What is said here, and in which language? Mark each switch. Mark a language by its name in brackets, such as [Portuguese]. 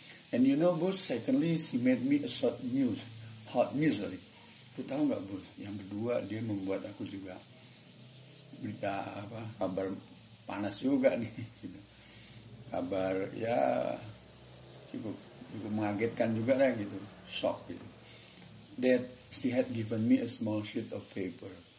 [English] And you know bos, secondly she made me a short news. Hot news sorry. [Indonesian] Lu tau gak bos, yang kedua dia membuat aku juga berita apa, kabar panas juga nih gitu. Kabar ya cukup mengagetkan juga lah gitu. Shock gitu. [English] That she had given me a small sheet of paper.